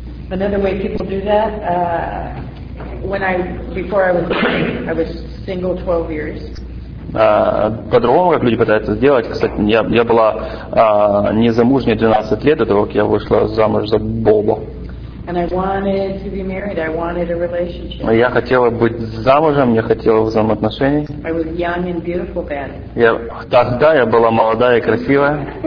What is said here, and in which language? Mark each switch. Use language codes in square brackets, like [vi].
[en] Another way people do that, before I was married, I was single 12 years. [ru] По-другому, как люди пытаются сделать, кстати, я была незамужней 12 лет до того, как я вышла замуж за Боба. [en] And I wanted to be married, I wanted a relationship. [ru] Я хотела быть замужем, я хотела взаимоотношений. [en] I was young and beautiful then. [ru] Тогда я была молодая и красивая.